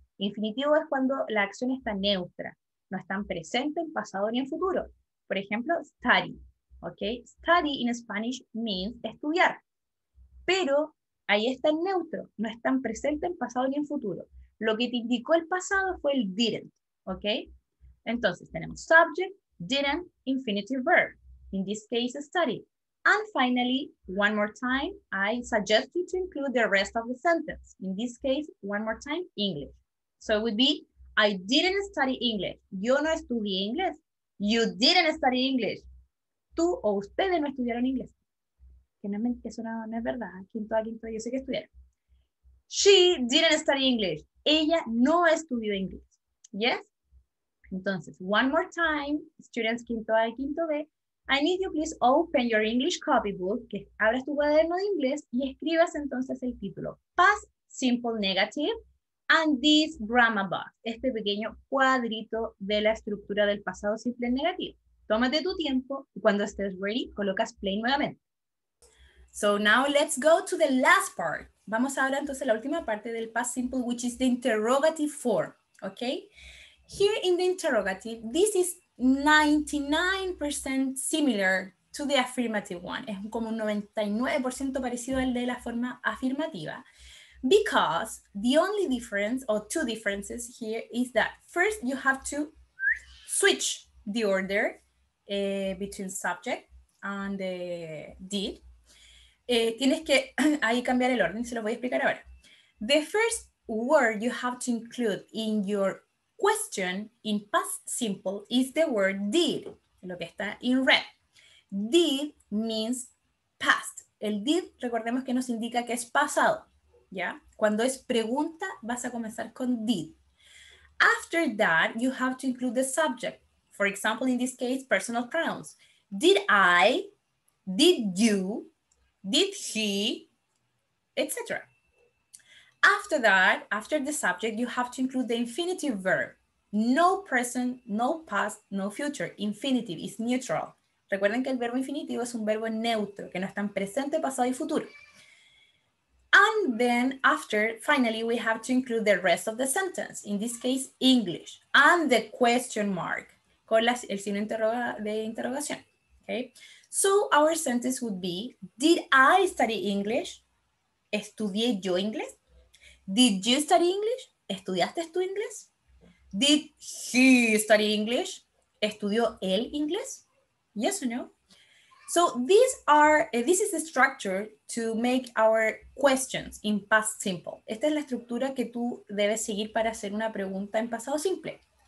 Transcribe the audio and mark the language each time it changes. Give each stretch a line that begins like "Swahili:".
Spanish: Infinitivo es cuando la acción está neutra, no está en presente, en pasado ni en futuro. Por ejemplo, studied.
English: Okay, study in Spanish means
Spanish: estudiar, pero ahí está en neutro, no está en presente, en pasado ni en futuro. Lo que te indicó el pasado fue el didn't, okay? Entonces tenemos
English: subject, didn't, infinitive verb, in this case study. And finally, one more time, I suggest you to include the rest of the sentence, in this case, one more time, English. So it would be, I didn't study English,
Spanish: yo no estudié inglés,
English: you didn't study English.
Spanish: Tú o ustedes no estudiaron inglés. Eso no es verdad. Quinto a quinto, yo sé que estudiaron.
English: She didn't study English.
Spanish: Ella no estudió inglés. ¿Yes? Entonces,
English: one more time, students,
Spanish: quinto a quinto B.
English: I need you please open your English copybook,
Spanish: que abras tu cuaderno de inglés y escribas entonces el título.
English: Past Simple Negative and this grammar box.
Spanish: Este pequeño cuadrito de la estructura del pasado simple negativo. Tómate tu tiempo, y cuando estés ready, colocas play nuevamente.
English: So now let's go to the last part.
Spanish: Vamos ahora entonces a la última parte del
English: past simple, which is the interrogative form, okay? Here in the interrogative, this is 99% similar to the affirmative one.
Spanish: Es como un 99% parecido al de la forma afirmativa.
English: Because the only difference, or two differences here, is that first you have to switch the order between subject and the did.
Spanish: Tienes que ahí cambiar el orden, se lo voy a explicar ahora.
English: The first word you have to include in your question in past simple is the word did,
Spanish: lo que está
English: in red. Did means past.
Spanish: El did, recordemos que nos indica que es pasado, ¿ya? Cuando es pregunta, vas a comenzar con did.
English: After that, you have to include the subject. For example, in this case, personal pronouns. Did I, did you, did he, etc. After that, after the subject, you have to include the infinitive verb. No present, no past, no future. Infinitive is neutral.
Spanish: Recuerden que el verbo infinitivo es un verbo neutro, que no está en presente, pasado y futuro.
English: And then after, finally, we have to include the rest of the sentence. In this case, English. And the question mark.
Spanish: Con la, el signo de interrogación.
English: Okay? So our sentence would be, did I study English?
Spanish: ¿Estudié yo inglés?
English: Did you study English?
Spanish: ¿Estudiaste tú inglés?
English: Did he study English?
Spanish: ¿Estudió él inglés?
English: Yes or no? So these are, this is the structure to make our questions in past simple.
Spanish: Esta es la estructura que tú debes seguir para hacer una pregunta en pasado simple.